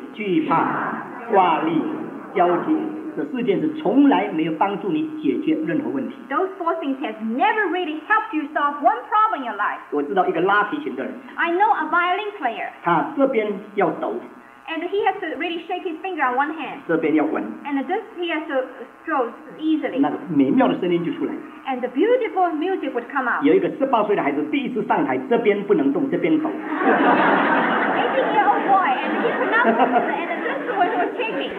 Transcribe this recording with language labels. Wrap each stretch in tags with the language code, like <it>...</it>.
<zh>惧怕, 挂虑, 焦急, 这四件事从来没有帮助你解决任何问题。</zh> <en>Those four things have never really helped you solve one problem in your life.</en> <zh>我知道一个拉提琴的人,</zh> <en>I know a violin player.</en> <zh>他这边要抖,</zh> <en>and he has to really shake his finger on one hand.</en> <zh>这边要滚,</zh> <en>and this he has to stroke easily.</en> <zh>那个美妙的声音就出来。</zh> <en>And the beautiful music would come out.</en> <zh>有一个18岁的孩子第一次上台, 这边不能动, 这边抖。</zh> <en>18-year-old boy, and he could not move, and this one was shaking.</en>